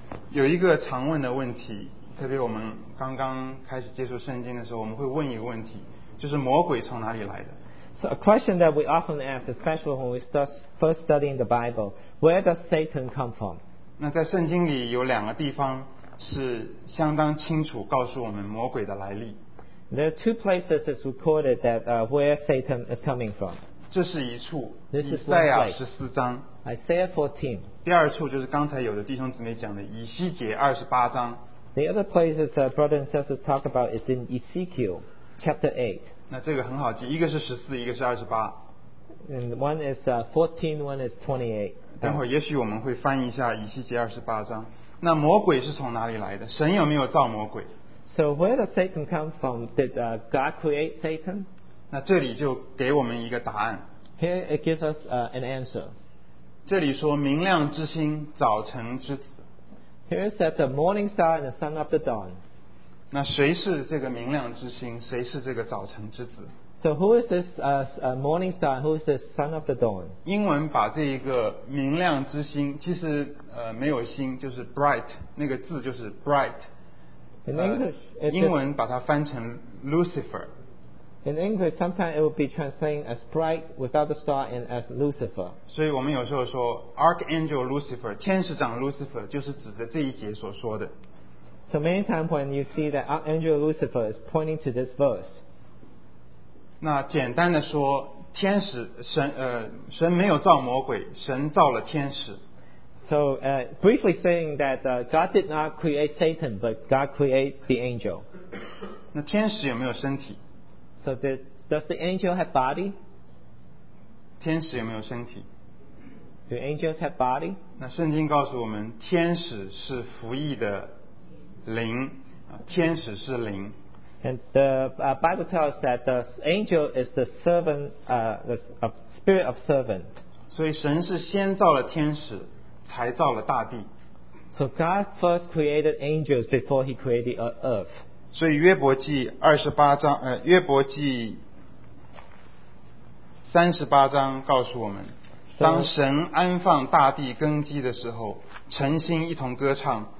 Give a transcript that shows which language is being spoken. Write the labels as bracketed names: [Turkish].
[Chinese] 有一个常问的问题，特别我们刚刚开始接触圣经的时候，我们会问一个问题，就是魔鬼从哪里来的？ [English] So a question that we often ask, especially when we start first studying the Bible, where does Satan come from? [Chinese] 那在圣经里有两个地方是相当清楚告诉我们魔鬼的来历。 [English] There are two places that's recorded that where Satan is coming from. [Chinese] 这是一处。 [English] This is [Chinese] 以赛亚十四章。 [English] Isaiah 14. [Chinese] 第二处就是刚才有的弟兄姊妹讲的以西结二十八章。 [English] The other place that brothers and sisters talk about is in Ezekiel chapter 8. [Chinese] 那这个很好记，一个是十四，一个是二十八。 [English] And one is 14, one is 28. [Chinese] 等会儿也许我们会翻一下以西结二十八章。那魔鬼是从哪里来的？神有没有造魔鬼 [English] ？So where does Satan come from? Did God create Satan? [Chinese] 那这里就给我们一个答案。 [English] Here it gives us an answer. [Chinese] 这里说明亮之星，早晨之子。 [English] Here it said the morning star and the sun of the dawn. [Chinese] 那谁是这个明亮之星？谁是这个早晨之子 [English] ？So who is this morning star? Who is the son of the dawn? [Chinese] 英文把这一个明亮之星，其实没有星，就是 bright， 那个字就是 bright。 [English] In English, [Chinese] 英文把它翻成 Lucifer。 [English] In English, sometimes it will be translated as bright without the star and as Lucifer. [Chinese] 所以我们有时候说 Archangel Lucifer， 天使长 Lucifer， 就是指的这一节所说的。 [English] So many times when you see that Archangel Lucifer is pointing to this verse. [Chinese] 那简单的说，天使神没有造魔鬼，神造了天使。 [English] So briefly saying that God did not create Satan, but God created the angel. [Chinese] 那天使有没有身体？ [English] So does the angel have body? [Chinese] 天使有没有身体？ [English] Do angels have body? [Chinese] 那圣经告诉我们，天使是服役的。灵，天使是灵。 [English] And the Bible tells that the angel is the servant, the spirit of servant. [Chinese] 所以神是先造了天使，才造了大地。 [English] So God first created angels before He created earth. [Chinese] 所以约伯记二十八章，约伯记三十八章告诉我们，当神安放大地根基的时候，晨星一同歌唱。